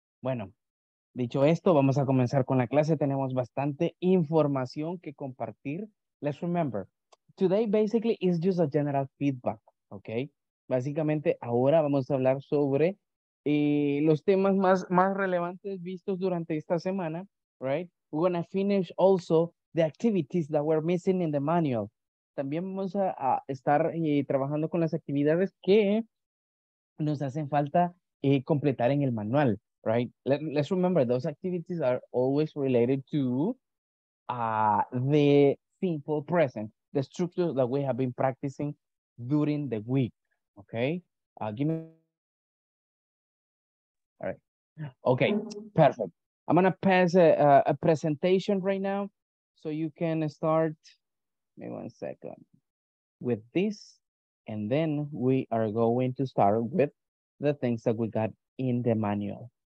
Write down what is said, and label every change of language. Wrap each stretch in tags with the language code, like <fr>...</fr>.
<es>Bueno, dicho esto, vamos a comenzar con la clase. Tenemos bastante información que compartir.</es> <en>Let's remember. Today basically is just a general feedback, okay?</en> <es>Básicamente ahora vamos a hablar sobre los temas más relevantes vistos durante esta semana, right?</es> <en>We're gonna finish also the activities that were missing in the manual.</en> <es>También vamos a estar trabajando con las actividades que nos hacen falta completar en el manual, right?</es> <en>Let's remember those activities are always related to the simple present. The structure that we have been practicing during the week, okay? All right. Okay, perfect. I'm gonna pass a presentation right now, so you can start, maybe 1 second, with this, and then we are going to start with the things that we got in the manual.</en>